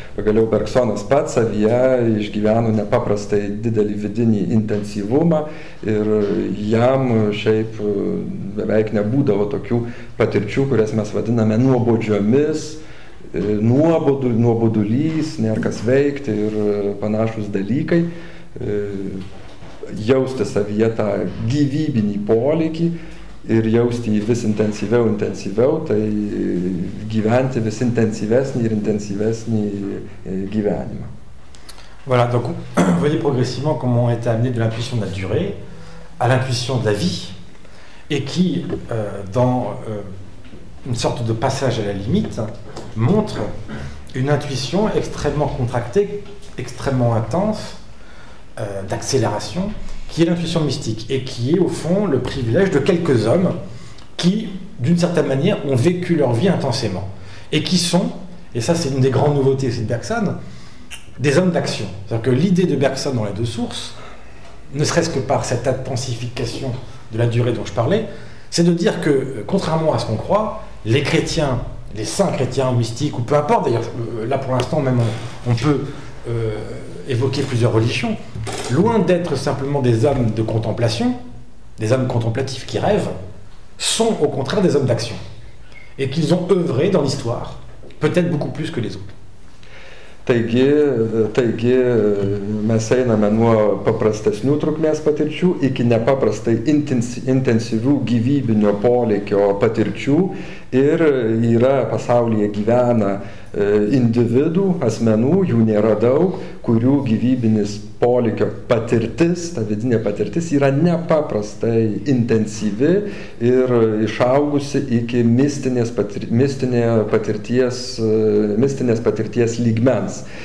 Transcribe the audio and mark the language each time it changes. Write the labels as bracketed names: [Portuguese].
[Lithuanian] Pagaliau Bergsonas pats savyje išgyveno nepaprastai didelį vidinį intensyvumą ir jam šiaip beveik nebūdavo tokių patirčių, kurias mes vadiname nuobodžiomis, nuobodulys, nėra kas veikti ir panašus dalykai, jausti savyje tą gyvybinį polėkį ir jausti jį vis intensyviau, tai gyventi vis intensyvesnį ir intensyvesnį gyvenimą. [French] Voilà, donc vous voyez progressivement comment on était amené de l'intuition de la durée à l'intuition de la vie et qui dans une sorte de passage à la limite montre une intuition extrêmement contractée, extrêmement intense, d'accélération, qui est l'intuition mystique et qui est au fond le privilège de quelques hommes qui, d'une certaine manière, ont vécu leur vie intensément et qui sont, et ça c'est une des grandes nouveautés de Bergson, des hommes d'action. C'est-à-dire que l'idée de Bergson dans les deux sources, ne serait-ce que par cette intensification de la durée dont je parlais, c'est de dire que, contrairement à ce qu'on croit, les chrétiens, les saints chrétiens mystiques, ou peu importe, d'ailleurs, là pour l'instant même on peut évoquer plusieurs religions, loin d'être simplement des hommes de contemplation, des hommes contemplatifs qui rêvent, sont au contraire des hommes d'action, et qu'ils ont œuvré dans l'histoire, peut-être beaucoup plus que les autres. [Lithuanian] Taigi, mes einame nuo paprastesnių trukmės patirčių iki nepaprastai intensyvių gyvybinio polėkio patirčių ir yra pasaulyje gyvena individų, asmenų, jų nėra daug, kurių gyvybinis polėkio patirtis, ta vidinė patirtis yra nepaprastai intensyvi ir išaugusi iki mistinės patirties lygmens.